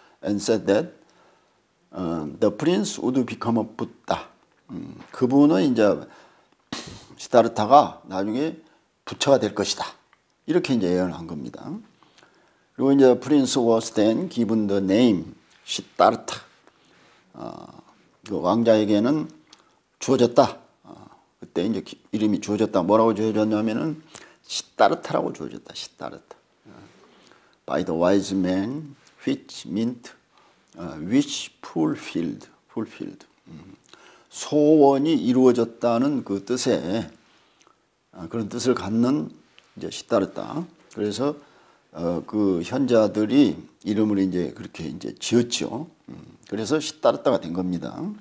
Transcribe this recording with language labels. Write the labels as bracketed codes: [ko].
[en] And said that the prince would become a Buddha. [ko] 그분은 이제 시다르타가 나중에 부처가 될 것이다. 이렇게 이제 예언을 한 겁니다. 그리고 이제 [en] Prince was then given the name 시다르타. [ko] 그 왕자에게는 주어졌다. 그때 이제 이름이 주어졌다. 뭐라고 주어졌냐면은 시다르타라고 주어졌다. 시다르타. [en] By the wise man, which meant wish fulfilled. [ko] 소원이 이루어졌다는 그 뜻에 그런 뜻을 갖는 이제 시다르타. 그래서 그 현자들이 이름을 이제 그렇게 이제 지었죠. 그래서 시다르타가 된 겁니다.